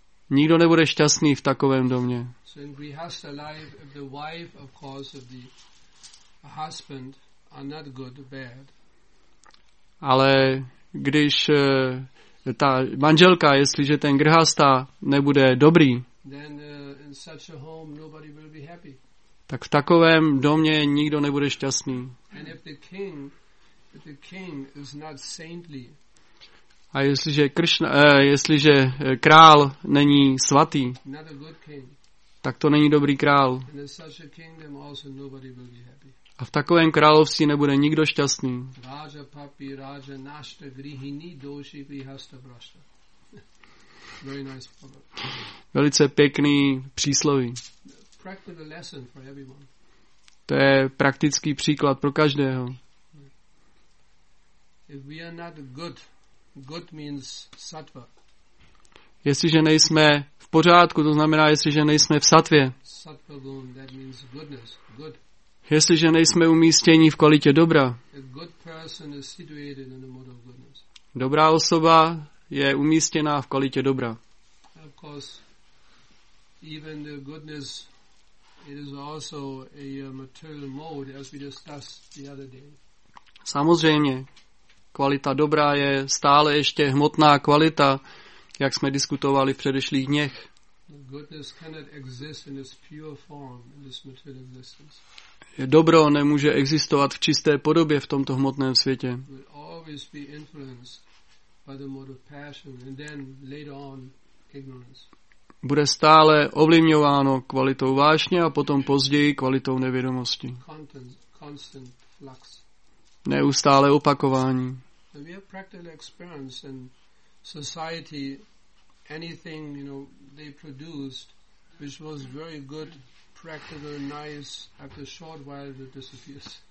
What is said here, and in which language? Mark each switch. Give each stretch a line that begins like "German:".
Czech: Nikdo nebude šťastný v takovém domě.
English: So in Grihasta life, if the wife, of course, if the husband are not good, bad.
Czech: Ale když ta manželka, jestliže ten Grihasta nebude dobrý,
English: then in such a home nobody will be happy.
Czech: Tak v takovém domě nikdo nebude šťastný.
English: And if the king, is not saintly.
Czech: A jestliže Krishna, jestliže král není svatý,
English: not a good king.
Czech: Tak to není dobrý král.
English: And in such a kingdom also nobody will be happy.
Czech: A v takovém království nebude nikdo šťastný.
Sanskrit: Raja papi, raja nashta, grihini, doshi, grihasta, prashta.
English: Very nice proverb.
Czech: Velice pěkný přísloví.
English: Practical lesson for everyone.
Czech: To je praktický příklad pro každého.
English: If we are not good, good means sattva.
Czech: Jestliže nejsme v pořádku, to znamená, jestliže nejsme v sattvě.
English: Sattva gun, that means goodness, good.
Czech: Jestliže nejsme umístěni v kvalitě dobra.
English: A good person is situated in the mode of goodness.
Czech: Dobrá osoba je umístěna v kvalitě dobra.
English: Of course, even the goodness, it is also a material mode, as we discussed the other day.
Czech: Samozřejmě, kvalita dobrá je stále ještě hmotná kvalita, jak jsme diskutovali v předešlých dnech.
English: Goodness cannot exist in its pure form in this material existence.
Czech: Je dobro nemůže existovat v čisté podobě v tomto hmotném světě.
English: It will always be influenced by the mode of passion, and then later on ignorance.
Czech: Bude stále ovlivňováno kvalitou vášně a potom později kvalitou nevědomosti.
English: Constant flux.
Czech: Neustále opakování.
English: We have practical experience in society, anything, you know, they produced which was very good, practical, nice, after a short while it disappears.